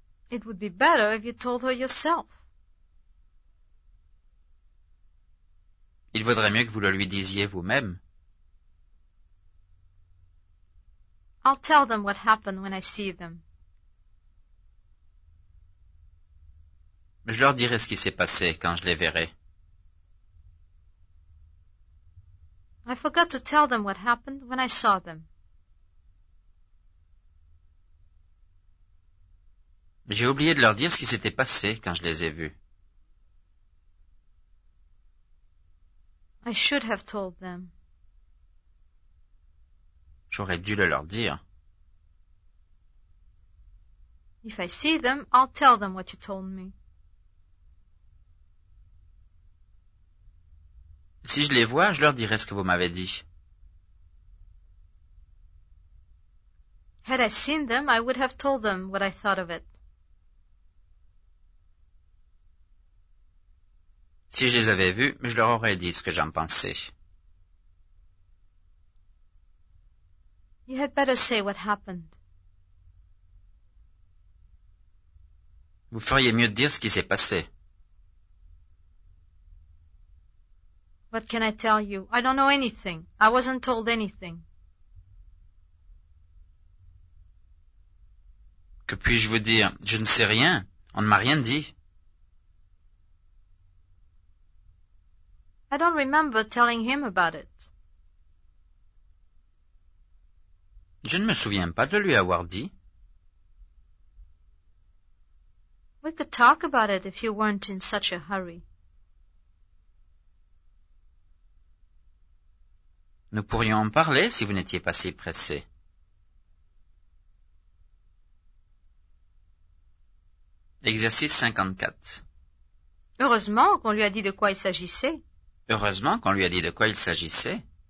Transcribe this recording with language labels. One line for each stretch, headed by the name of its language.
English: It would be better if you told her yourself.
French: Il vaudrait mieux que vous le lui disiez vous-même.
English: I'll tell them what happened when I see them.
French: Je leur dirai ce qui s'est passé quand je les verrai.
English: I forgot to tell them what happened when I saw them.
French: J'ai oublié de leur dire ce qui s'était passé quand je les ai vus.
English: I should have told them.
French: J'aurais dû le leur dire.
English: If I see them, I'll tell them what you told me.
French: Si je les vois, je leur dirai ce que vous m'avez dit.
English: Had I seen them, I would have told them what I thought of it.
French: Si je les avais vus, je leur aurais dit ce que j'en pensais.
English: You had better say what happened.
French: Vous feriez mieux de dire ce qui s'est passé.
English: What can I tell you? I don't know anything. I wasn't told anything.
French: Que puis-je vous dire? Je ne sais rien. On ne m'a rien dit.
English: I don't remember telling him about it.
French: Je ne me souviens pas de lui avoir dit.
English: We could talk about it if you weren't in such a hurry.
French: Nous pourrions en parler si vous n'étiez pas si pressé. Exercice 54. Heureusement qu'on lui a dit de quoi il s'agissait. Heureusement qu'on lui a dit de quoi il s'agissait.